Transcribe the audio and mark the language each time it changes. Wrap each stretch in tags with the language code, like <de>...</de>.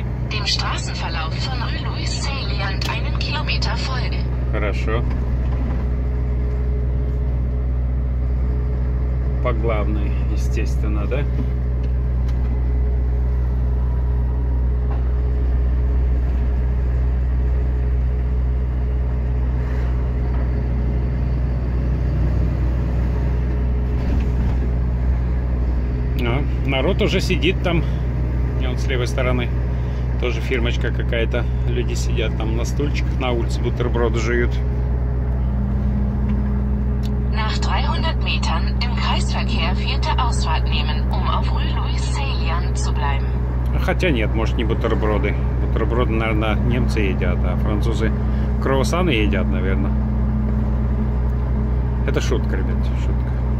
<de>Dem Straßenverlauf von Rue-Louis-Saint-Léand einen Kilometer folgen.</de> <ru>Хорошо. По главной, естественно, да? Народ уже сидит там, и он с левой стороны, тоже фирмочка какая-то, люди сидят там на стульчиках, на улице бутерброды жуют.</ru> <de>Nach 300 Metern im Kreisverkehr vierte Ausfahrt nehmen, um auf Rue Louis-Saint-Léand zu bleiben.</de> <ru>Хотя нет, может не бутерброды. Бутерброды, наверное, немцы едят, а французы круассаны едят, наверное. Это шутка, ребят, шутка.</ru>